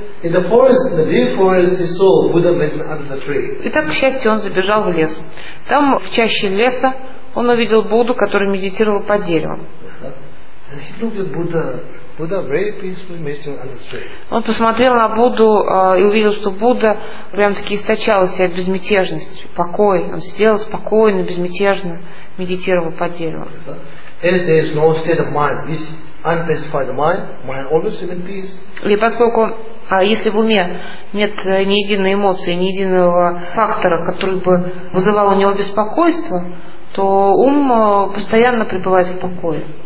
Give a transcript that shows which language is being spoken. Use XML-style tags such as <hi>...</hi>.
<en>In the forest, the deep forest, he saw Buddha meditating under the tree.</en> <ru>Итак, к счастью, он забежал в лес. Там в чаще леса он увидел Будду, который медитировал под деревом.</ru> <en>And he looked at Buddha. Buddha very peacefully meditating under the tree.</en> <ru>Он посмотрел на Будду и увидел, что Будда прям-таки источал из себя безмятежность, покой. Он сидел спокойно, безмятежно медитировал под деревом.</ru> <en>As there is no state of mind, this unpacified mind, mind always is in peace.</en> <ru>И поскольку если в уме нет ни единой эмоции, ни единого фактора, который бы вызывал у него беспокойство, то ум постоянно пребывает в покое.</ru>